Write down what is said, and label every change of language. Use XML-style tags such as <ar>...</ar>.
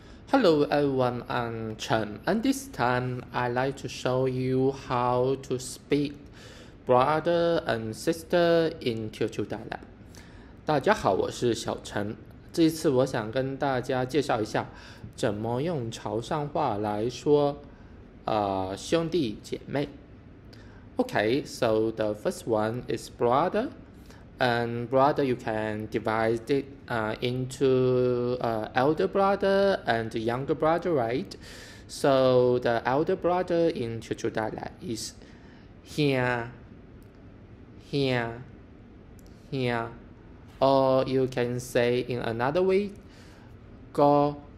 <en>Hello everyone, I'm Chen, and this time I'd like to show you how to speak brother and sister in Teochew dialect.</en> <zh>大家好，我是小陈。这一次我想跟大家介绍一下怎么用潮汕话来说、兄弟姐妹。</zh> <en>Okay, so the first one is brother, and brother you can divide it into elder brother and younger brother, right? So the elder brother in Teochew dialect is hia, or you can say in another way, go.</en>